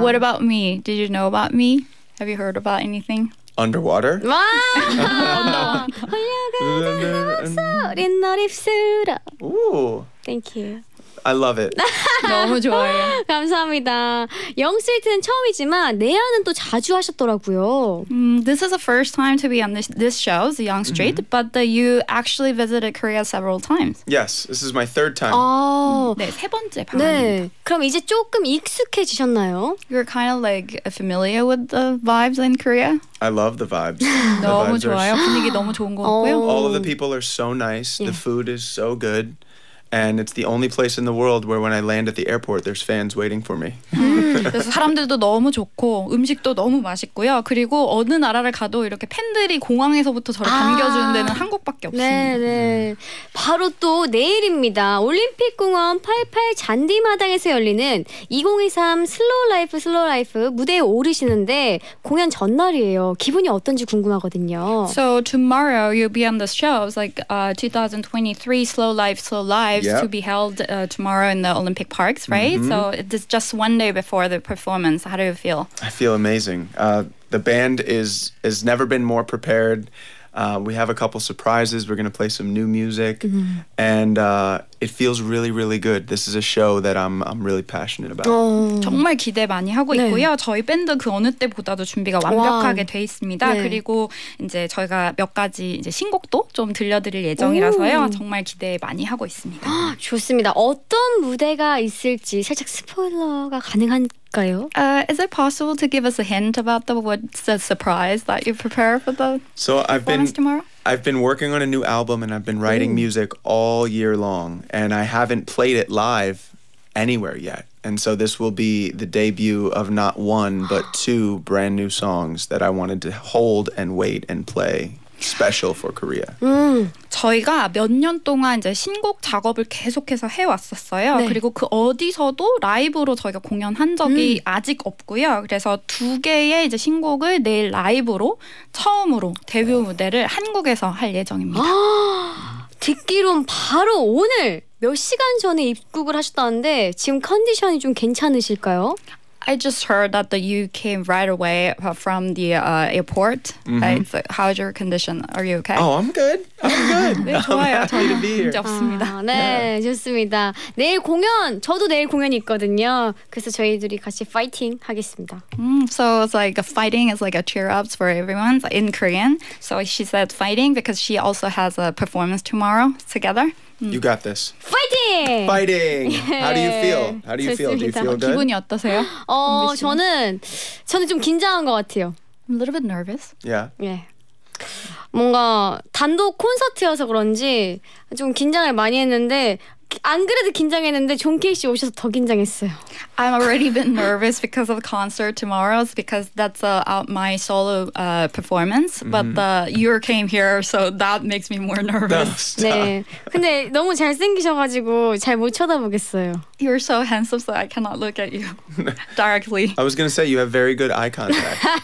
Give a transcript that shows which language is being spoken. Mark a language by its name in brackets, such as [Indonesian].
[English] What about me? Did you know about me? Have you heard about anything? Underwater? [Korean] 와! 흘러가는 목소리 입술아. [English] Thank you. I love it. [Korean] 너무 좋아요. 감사합니다. 영스트리트는 처음이지만 내한은 또 자주 하셨더라고요. [English] This is the first time to be on this show, the Youngstreet, mm-hmm. but you actually visited Korea several times. Yes, this is my third time. [Korean] 네, 세 번째 방문입니다. 네, 그럼 이제 조금 익숙해지셨나요? [English] You're kind of like familiar with the vibes in Korea? I love the vibes. [Korean] 너무 j�아요. 분위기 너무 좋은 것 같고요. [English] All of the people are so nice. Yeah. The food is so good. And it's the only place in the world where when I land at the airport, there's fans waiting for me. [Korean] 그래서 사람들도 너무 좋고 음식도 너무 맛있고요. 그리고 어느 나라를 가도 이렇게 팬들이 공항에서부터 저를 반겨주는 데는 한국밖에 없습니다. 네, 네. 바로 또 내일입니다. 올림픽공원 88 잔디마당에서 열리는 2023 슬로우라이프 슬로우라이프 무대에 오르시는데 공연 전날이에요. 기분이 어떤지 궁금하거든요. [English] So tomorrow you'll be on the show. It's like 2023 슬로우라이프 슬로우라이프. Yep. To be held tomorrow in the Olympic Parks, right? Mm-hmm. So it's just one day before the performance. How do you feel? I feel amazing. The band has never been more prepared. We have a couple surprises. We're going to play some new music. Mm-hmm. And it feels really, really good. This is a show that I'm really passionate about. [Korean] 정말 기대 많이 하고 있고요. 저희 밴드 그 어느 때보다도 준비가 완벽하게 돼 있습니다. 그리고 이제 저희가 몇 가지 이제 신곡도 좀 들려드릴 예정이라서요. 정말 기대 많이 하고 있습니다. 좋습니다. 어떤 무대가 있을지 살짝 스포일러가 가능할까요? [English] Is it possible to give us a hint about what's the surprise that you prepare for the performance tomorrow? I've been working on a new album and I've been writing music all year long and I haven't played it live anywhere yet. And so this will be the debut of not one but two brand new songs that I wanted to hold and wait and play. Special for Korea. [Korean] 저희가 몇 년 동안 이제 신곡 작업을 계속해서 해왔었어요. 네. 그리고 그 어디서도 라이브로 저희가 공연한 적이 아직 없고요. 그래서 두 개의 이제 신곡을 내일 라이브로 처음으로 데뷔 무대를 한국에서 할 예정입니다. 듣기론 바로 오늘 몇 시간 전에 입국을 하셨다는데 지금 컨디션이 좀 괜찮으실까요? [English] I just heard that you came right away from the airport. Mm-hmm. Right? So how's your condition? Are you okay? Oh, I'm good. I'm good. [Korean] 네, 좋아요. [English] I'm happy to be here. [Korean] 없습니다. 아, 네, [English] yeah. [Korean] 좋습니다. 내일 공연, 저도 내일 공연이 있거든요. 그래서 저희들이 같이 파이팅 하겠습니다. [English] So it's like a fighting is like a cheer ups for everyone in Korean. So she said fighting because she also has a performance tomorrow together. You got this. Fighting! Fighting! How do you feel? How do you feel? Do you feel good? [Korean] 기분이 어떠세요? 저는 좀 긴장한 것 같아요. [English] I'm a little bit nervous. Yeah. Yeah. [Korean] 뭔가 단독 콘서트여서 그런지 좀 긴장을 많이 했는데 안 그래도 긴장했는데 존 케이 씨 오셔서 더 긴장했어요. [English] I'm already been nervous because of the concert tomorrow because that's my solo performance. Mm-hmm. But you came here, so that makes me more nervous. No, stop. [Korean] 네, 근데 너무 잘 생기셔가지고 잘 못 쳐다보겠어요. [English] You're so handsome, so I cannot look at you directly. I was gonna say you have very good eye contact.